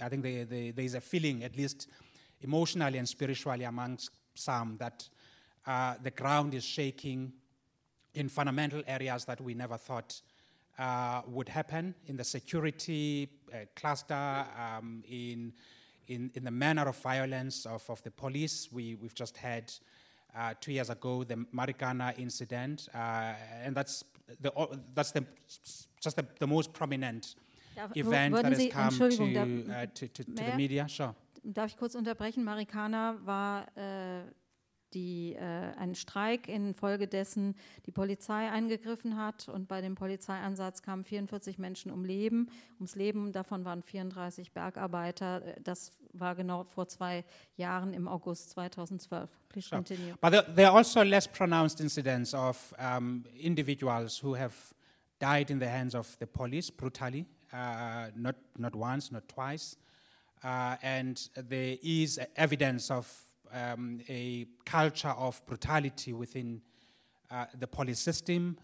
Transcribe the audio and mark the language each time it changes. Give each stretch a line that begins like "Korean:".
English: I think there is a feeling, at least emotionally and spiritually amongst some, that the ground is shaking in fundamental areas that we never thought would happen, in the security cluster, in the manner of violence of the police. We've just had 2 years ago the Marikana incident, and that's the most prominent event that has come to the media. Sure.
German: Darf ich kurz unterbrechen? Marikana war ein Streik, infolgedessen die Polizei eingegriffen hat, und bei dem Polizeieinsatz kamen 44 Menschen ums Leben, davon waren 34 Bergarbeiter. Das war genau vor 2 Jahren im August 2012.
English: Please sure. Continue. But there are also less pronounced incidents of individuals who have died in the hands of the police brutally, not once, not twice. And there is evidence of a culture of brutality within the police system.